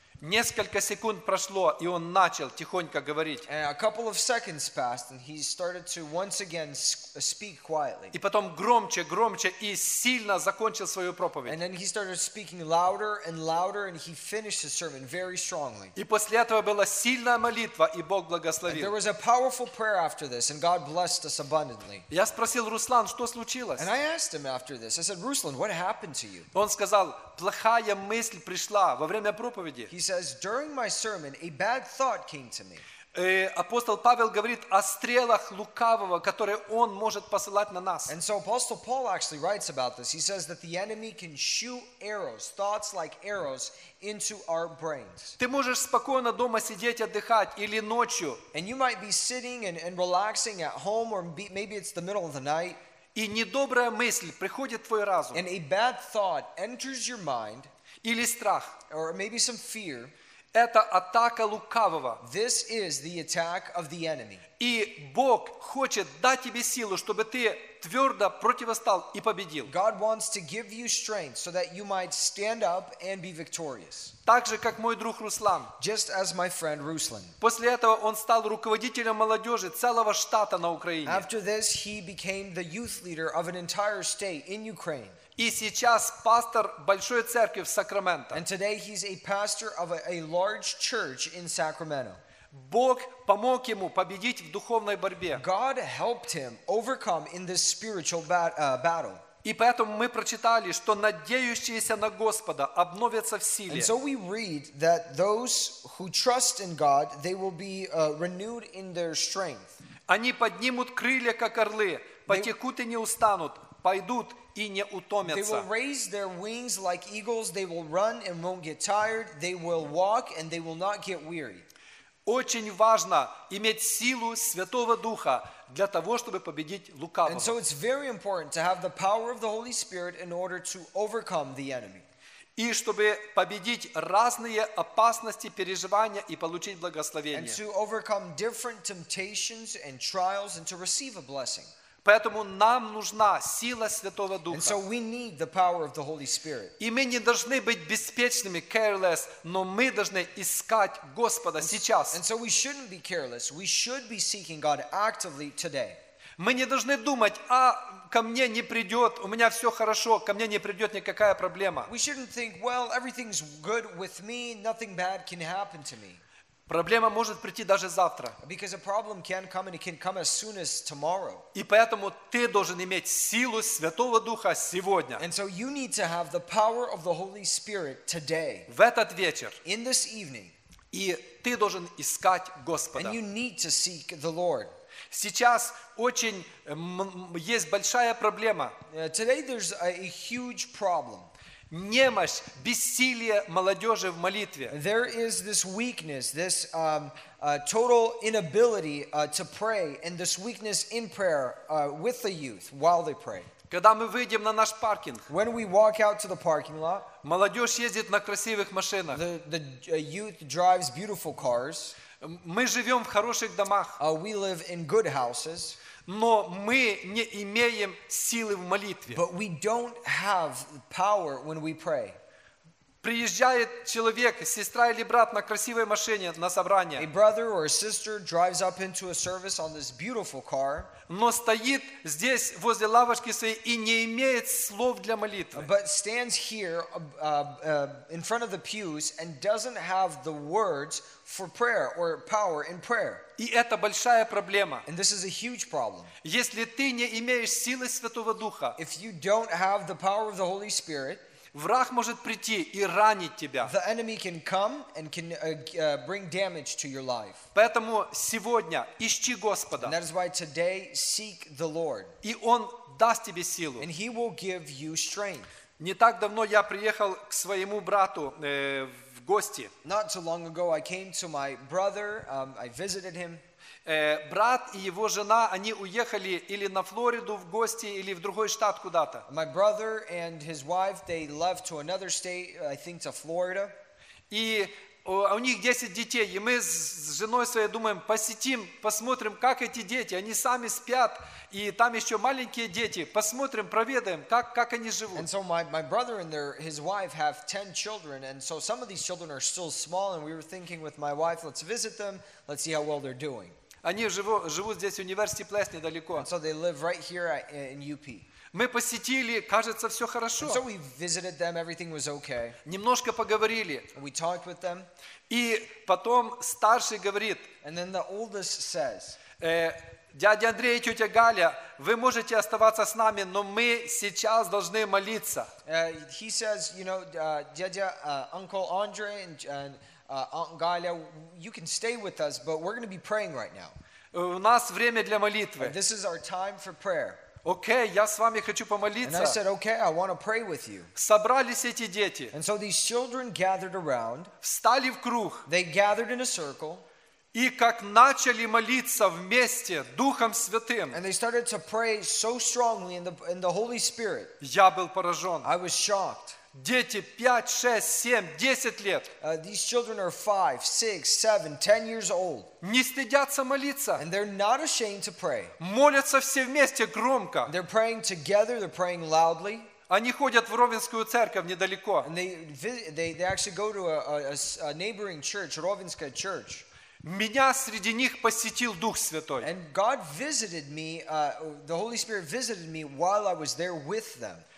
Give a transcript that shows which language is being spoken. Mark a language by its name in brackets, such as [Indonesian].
[Russian] Несколько секунд прошло, и он начал тихонько говорить. [English] And a couple of seconds passed, and he started to once again speak quietly. [Russian] И потом громче, громче и сильно закончил свою проповедь. [English] And then he started speaking louder and louder, and he finished his sermon very strongly. [Russian] И после этого была сильная молитва, и Бог благословил. [English] And there was a powerful prayer after this, and God blessed us abundantly. [Russian] Я спросил Руслан, что случилось? [English] And I asked him after this. I said, Ruslan, what happened to you? [Russian] Он сказал, плохая мысль пришла во время проповеди. [English] He says, during my sermon, a bad thought came to me. [Russian] Апостол Павел говорит о стрелах лукавого, которые он может посылать на нас. [English] And so Apostle Paul actually writes about this. He says that the enemy can shoot arrows, thoughts like arrows, into our brains. [Russian] Ты можешь спокойно дома сидеть отдыхать или ночью. [English] And you might be sitting and relaxing at home, or maybe it's the middle of the night. [Russian] И недобрая мысль приходит в твой разум. [English] And a bad thought enters your mind. [Russian] Или страх. [English] Or maybe some fear. [Russian] Это атака лукавого. [English] This is the attack of the enemy. [Russian] И Бог хочет дать тебе силу, чтобы ты твердо противостал и победил. [English] God wants to give you strength so that you might stand up and be victorious. [Russian] Так же, как мой друг Руслан. [English] Just as my friend Ruslan. [Russian] После этого он стал руководителем молодежи целого штата на Украине. [English] After this, he became the youth leader of an entire state in Ukraine. [Russian] И сейчас пастор большой церкви в Сакраменто. [English] And today he's a pastor of a large church in Sacramento. [Russian] Бог помог ему победить в духовной борьбе. [English] God helped him overcome in this spiritual battle. [Russian] И поэтому мы прочитали, что надеющиеся на Господа обновятся в силе. [English] And so we read that those who trust in God, they will be renewed in their strength. [Russian] Они поднимут крылья, как орлы, потекут и не устанут, пойдут и не утомятся. [English] They will raise their wings like eagles, they will run and won't get tired, they will walk and they will not get weary. [Russian] Очень важно иметь силу Святого Духа для того, чтобы победить лукавого. [English] And so it's very important to have the power of the Holy Spirit in order to overcome the enemy. [Russian] И чтобы победить разные опасности, переживания и получить благословение. [English] And to overcome different temptations and trials and to receive a blessing. [Russian] Поэтому нам нужна сила Святого Духа. [English] And so we need the power of the Holy Spirit. [Russian] И мы не должны быть беспечными, careless, но мы должны искать Господа сейчас. [English] And so we shouldn't be careless. We should be seeking God actively today. [Russian] Мы не должны думать, а ко мне не придет, у меня все хорошо, ко мне не придет никакая проблема. [English] We shouldn't think, well, everything's good with me, nothing bad can happen to me. [Russian] Проблема может прийти даже завтра. [English] Because a problem can come and it can come as soon as tomorrow. [Russian] И поэтому ты должен иметь силу Святого Духа сегодня. [English] And so you need to have the power of the Holy Spirit today. [Russian] В этот вечер. [English] In this evening. [Russian] И ты должен искать Господа. [English] And you need to seek the Lord. [Russian] Сейчас очень есть большая проблема. [English] Today there's a huge problem. [Russian] Немощь, бессилие молодежи в молитве. [English] There is this weakness, this total inability to pray, and this weakness in prayer with the youth while they pray. [Russian] Когда мы выйдем на наш паркинг, [English] when we walk out to the parking lot, [Russian] молодежь ездит на красивых машинах. [English] The youth drives beautiful cars. [Russian] Мы живем в хороших домах. [English] We live in good houses. [Russian] Но мы не имеем силы в молитве. [English] But we don't have power when we pray. [Russian] Приезжает человек, сестра или брат на красивой машине на собрание. [English] A brother or a sister drives up into a service on this beautiful car. [Russian] Но стоит здесь возле лавочки своей и не имеет слов для молитвы. [English] But stands here in front of the pews and doesn't have the words for prayer or power in prayer. [Russian] И это большая проблема. [English] And this is a huge problem. [Russian] Если ты не имеешь силы Святого Духа, [English] if you don't have the power of the Holy Spirit, [Russian] враг может прийти и ранить тебя. [English] The enemy can come and can bring damage to your life. [Russian] Поэтому сегодня ищи Господа. [English] And that is why today seek the Lord. [Russian] И он даст тебе силу. [English] And he will give you strength. [Russian] Не так давно я приехал к своему брату в гости. [English] Not too long ago I came to my brother, I visited him. [Russian] Брат и его жена, они уехали или на Флориду в гости, или в другой штат куда-то. [English] My brother and his wife, they left to another state, I think to Florida. [Russian] И у них 10 детей, и мы с женой своей думаем, посетим, посмотрим, как эти дети, они сами спят, и там еще маленькие дети, посмотрим, проведаем, как они живут. [English] And so my brother and his wife have 10 children, and so some of these children are still small, and we were thinking with my wife, let's visit them, let's see how well they're doing. [Russian] Они живут здесь в университете Плес недалеко. [English] And so they live right here in UP. [Russian] Мы посетили, кажется, все хорошо. [English] And so we visited them, everything was okay. [Russian] Немножко поговорили. [English] And we talked with them. [Russian] И потом старший говорит. [English] And then the oldest says. [Russian] Дядя Андрей и тетя Галя, вы можете оставаться с нами, но мы сейчас должны молиться. [English] He says, you know, дядя, uncle Andre and Aunt Galia, you can stay with us, but we're going to be praying right now. [Russian] У нас время для молитвы. [English] This is our time for prayer. [Russian] Окей, я с вами хочу помолиться. [English] And I said, okay, I want to pray with you. [Russian] Собрались эти дети. [English] And so these children gathered around. [Russian] Встали в круг. [English] They gathered in a circle. [Russian] И как начали молиться вместе Духом Святым. [English] And they started to pray so strongly in the Holy Spirit. [Russian] Я был поражен. [English] I was shocked. [Russian] Дети 5, 6, 7, 10 лет. [English] These children are 5, 6, 7, 10 years old. [Russian] Не стыдятся молиться. [English] And they're not ashamed to pray. [Russian] Молятся все вместе громко. [English] They're praying together, they're praying loudly. [Russian] Они ходят в Ровенскую церковь недалеко. [English] And they actually go to a neighboring church, Ровенская church. [Russian] Меня среди них посетил Дух Святой. [English] And God visited me, the Holy Spirit visited me while I was there with them.